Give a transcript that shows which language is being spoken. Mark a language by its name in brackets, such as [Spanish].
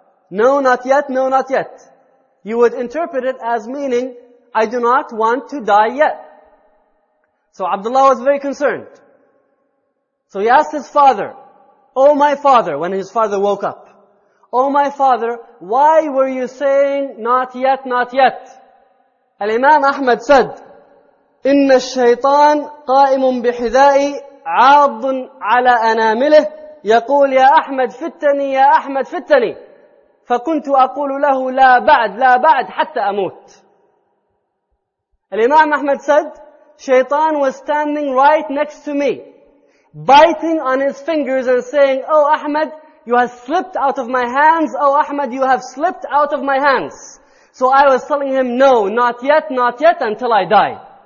[English] No, not yet, no, not yet. You would interpret it as meaning, I do not want to die yet. So Abdullah was very concerned. So he asked his father, oh my father, when his father woke up, oh my father, why were you saying not yet, not yet? Al-Imam Ahmad said, [Arabic] إِنَّ الشَّيْطَانَ قَائِمٌ بِحِذَائِ عَاضٌ عَلَىٰ أَنَامِلِهِ يَقُولْ يَا أَحْمَدْ فِتَّنِي يَا أَحْمَدْ فِتَّنِي فَكُنْتُ أَقُولُ لَهُ لَا بَعْدْ لَا بَعْدْ حَتَّى أَمُوتُ. [English] Al-Imam Ahmad said, Shaitan was standing right next to me, biting on his fingers and saying, oh Ahmed, you have slipped out of my hands. Oh Ahmed, you have slipped out of my hands. So I was telling him, no, not yet, not yet, until I die.